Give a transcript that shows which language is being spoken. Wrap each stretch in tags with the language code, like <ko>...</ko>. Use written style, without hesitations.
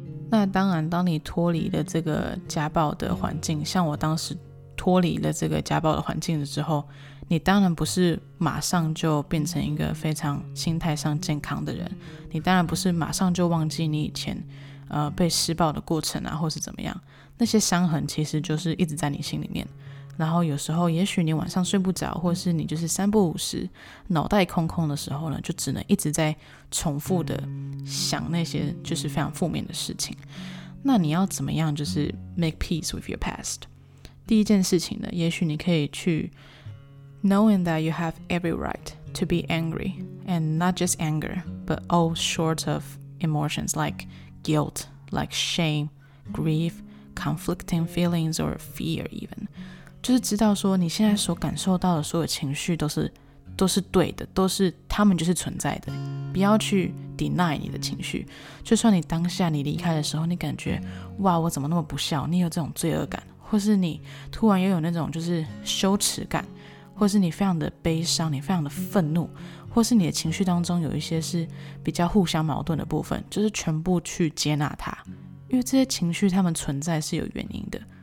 <zh>那当然当你脱离了这个家暴的环境，像我当时脱离了这个家暴的环境之后，你当然不是马上就变成一个非常心态上健康的人，你当然不是马上就忘记你以前被施暴的过程啊，或是怎么样，那些伤痕其实就是一直在你心里面。然后有时候也许你晚上睡不着，或是你就是三不五时脑袋空空的时候呢，就只能一直在重复的想那些就是非常负面的事情。那你要怎么样就是</zh> <en>make peace with your past？</en> <zh>第一件事情呢，也许你可以去</zh> <en>knowing that you have every right to be angry, and not just anger, but all sorts of emotions like guilt, like shame, grief, conflicting feelings or fear even.</en> <zh>就是知道说你现在所感受到的所有情绪都是对的，都是他们就是存在的，不要去 deny 你的情绪。就算你当下你离开的时候你感觉哇我怎么那么不孝，你有这种罪恶感，或是你突然又有那种就是羞耻感，或是你非常的悲伤，你非常的愤怒，或是你的情绪当中有一些是比较互相矛盾的部分，就是全部去接纳它，因为这些情绪他们存在是有原因的。</zh>